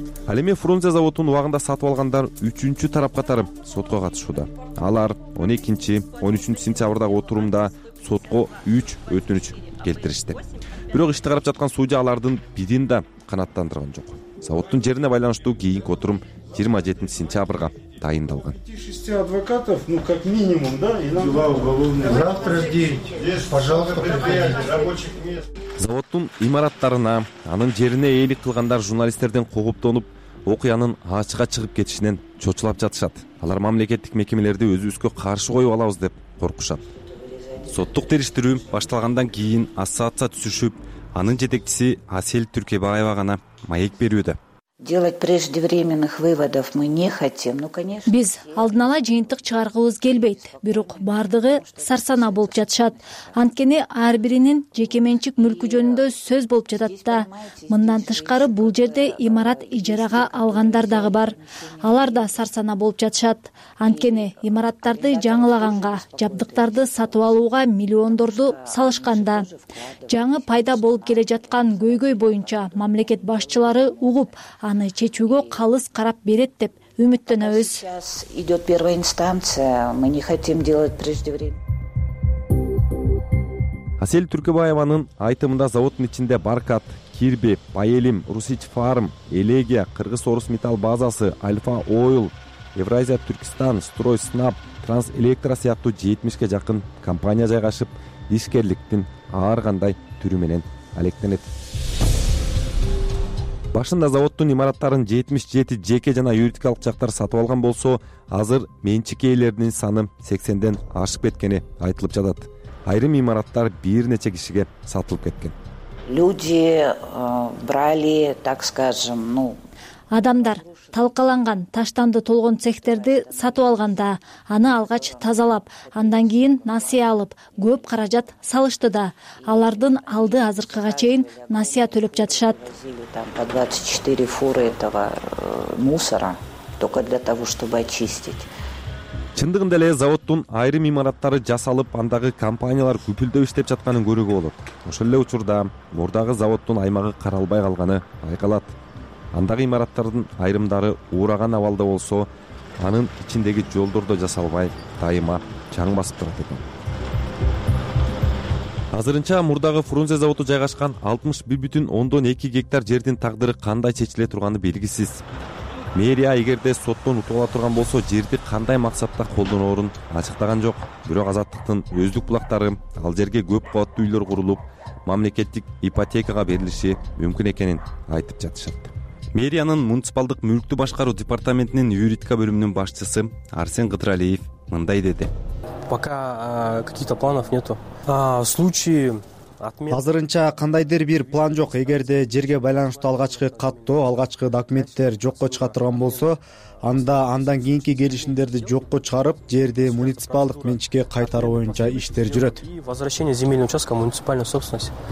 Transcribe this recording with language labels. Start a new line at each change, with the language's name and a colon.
Kyrgyz: Ал эми Фрунзе заводун убагында сатып алгандар үчүнчү тарап катары сотко катышууда. Алар 12-13 сентябрдагы отурумда сотко 3 өтүнүч келтиришти. Бирок ишти карап жаткан судья алардын бирин да канааттандырган жок. Заводтун жерине байланыштуу кийинки отурум 27 сентябрга дайындалган.
Russian: 6 адвокатов, ну как минимум, да, и нам дела уголовные. Завтра день. Пожалуйста, приходите. Рабочих мест.
Kyrgyz: Заводтун имараттарына, анын жерине ээлик кылгандар журналисттерден кооптонуп, окуянын ачыга чыгып кетишинен чочулап жатышат. Алар мамлекеттик мекемелерди өзүбүзгө каршы коюп алабыз деп коркушат. Соттук териштирүү башталгандан кийин ассоциация түзүшүп, анын жетекчиси Асель Түркебаева гана маек берүүдө.
Russian: Делать преждевременных выводов мы не хотим. Ну, конечно.
Kyrgyz: Биз алдын ала жыйынтык чыгаргыбыз келбейт. Бирок бардыгы сарсана болуп жатышат. Анткени ар биринин жеке менчик мүлкү жөнүндө сөз болуп жатат да. Мындан тышкары бул жерде имарат ижарага алгандар дагы бар. Алар да сарсана болуп жатышат. Анткени имараттарды жаңылаганга, жабдыктарды сатып алууга миллиондорду салышканда, жаңы пайда болуп келе жаткан көйгөй боюнча мамлекет башчылары угуп аны чечүүгө калыс карап берет деп үмүттөнөбүз.
Russian: Сейчас идет первая инстанция. Мы не хотим делать преждевременно.
Kyrgyz: Асель Түркебаеванын айтымында заводдун ичинде Баркат, Кирби, Паэлим, Русич Фарм, Элегия, Кыргыз Орус Металл базасы, Альфа Ойл, Евразия Түркистан, Строй Снап, Транс Электро сыяктуу 70ге жакын компания жайгашып, ишкерликтин ар кандай түрү менен алектенет. Башында заводдун имараттарын 77 жеке жана юридикалык жактар сатып алган болсо, азыр менчик ээлеринин саны 80ден ашып кеткени айтылып жатат. Айрым имараттар бир нече кишиге сатылып кеткен.
Russian: Люди брали, так скажем, ну,
Kyrgyz: адамдар талкаланган таштанды толгон цехтерди сатып алганда, аны алгач тазалап, андан кийин насыя алып, көп каражат салышты да. Алардын алды азыркыга чейин насыя төлөп жатышат.
Russian: Там по 24 фуры этого мусора только для того, чтобы очистить.
Kyrgyz: Чындыгында эле заводдун айрым имараттары жасалып, андагы компаниялар күпүлдөп иштеп жатканын көрүүгө болот. Ошол эле учурда мурдагы заводдун аймагы каралбай калганы айкалат. Андагы имараттардын айрымдары ураган абалда болсо, анын ичиндеги жолдор да жасалбай, дайыма чаң басып турат экен. Азырынча мурдагы Фрунзе заводу жайгашкан 61,2 гектар жердин тагдыры кандай чечиле турганы белгисиз. Мэрия эгерде соттон утуп ала турган болсо, жерди кандай максатта колдонорун ачыктаган жок. Бирок азаттыктын өздүк булактары ал жерге көп кабаттуу үйлөр курулуп, мамлекеттик ипотекага берилиши мүмкүн экенин айтып жатышат. Мэриянын муниципалдык мүлктү башкаруу департаментинин юридика бөлүмүнүн башчысы Арсен Кытыралиев мындай деди.
Russian: Пока каких-то планов нету.
Kyrgyz: Азырынча кандайдыр бир план жок. Эгерде жерге байланыштуу алгачкы каттоо, алгачкы документтер жокко чыга турган болсо, анда андан кийинки келишимдерди жокко чыгарып, жерди муниципалдык менчикке кайтаруу боюнча иштер жүрөт.
Russian: Возвращение земельного участка в муниципальную собственность.